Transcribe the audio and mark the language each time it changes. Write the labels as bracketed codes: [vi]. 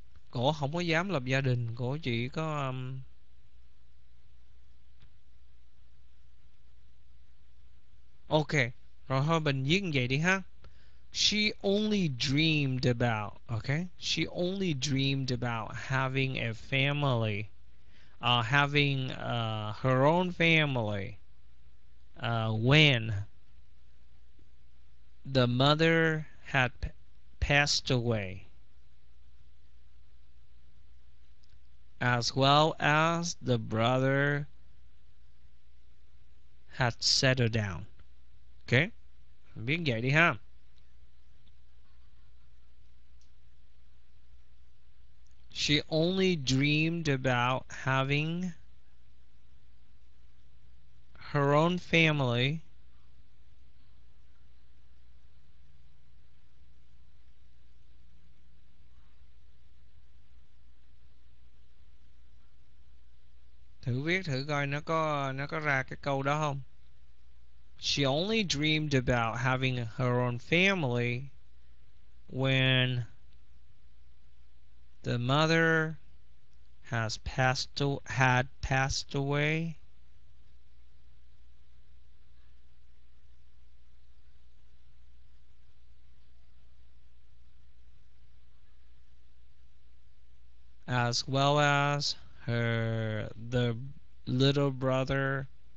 [vi] Cô không có dám lập gia đình, cô chỉ có Ok, rồi thôi mình viết như vậy đi ha. [en] She only dreamed about, okay? She only dreamed about having a family, having her own family, when the mother had passed away, as well as the brother had set her down. [vi] Ok, biết vậy đi ha. [en] She only dreamed about having her own family [vi] thử viết thử coi nó có ra cái câu đó không. [en] She only dreamed about having her own family when the mother has passed to had passed away, as well as her the little brother.